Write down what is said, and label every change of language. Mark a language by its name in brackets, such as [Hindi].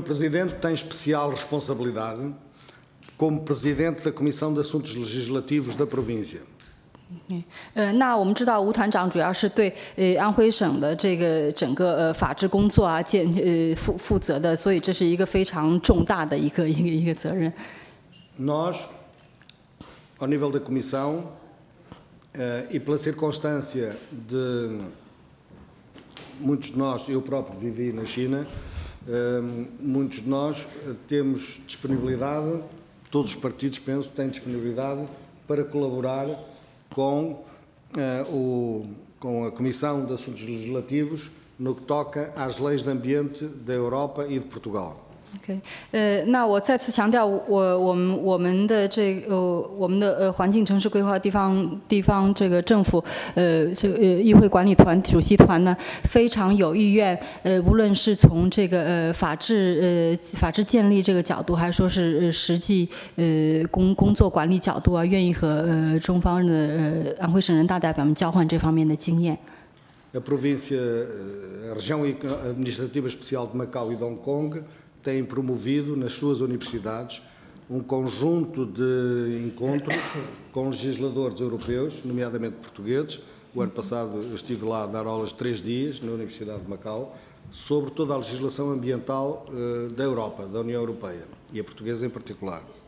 [Portuguese] Presidente tem especial responsabilidade como Presidente da Comissão de Assuntos Legislativos da Província. [Chinese] 那我们知道吴团长主要是对安徽省的这个整个法治工作啊，负责的，所以这是一个非常重大的一个责任。 [Portuguese] Nós, ao nível da Comissão, e pela circunstância de muitos de nós, eu próprio vivi na China, muitos de nós temos disponibilidade, todos os partidos, penso, têm disponibilidade para colaborar com a Comissão de Assuntos Legislativos no que toca às leis de ambiente da Europa e de Portugal. [Chinese] OK， 那我再次强调，我们的环境城市规划地方这个政府，议会管理团主席团呢，非常有意愿，无论是从这个法治建立这个角度，还是说是实际工作管理角度啊，愿意和中方的安徽省人大代表们交换这方面的经验。 [Portuguese] A província, a região administrativa especial de Macau e de Hong Kong têm promovido nas suas universidades um conjunto de encontros com legisladores europeus, nomeadamente portugueses. O ano passado eu estive lá a dar aulas 3 dias na Universidade de Macau sobre toda a legislação ambiental da Europa, da União Europeia, e a portuguesa em particular.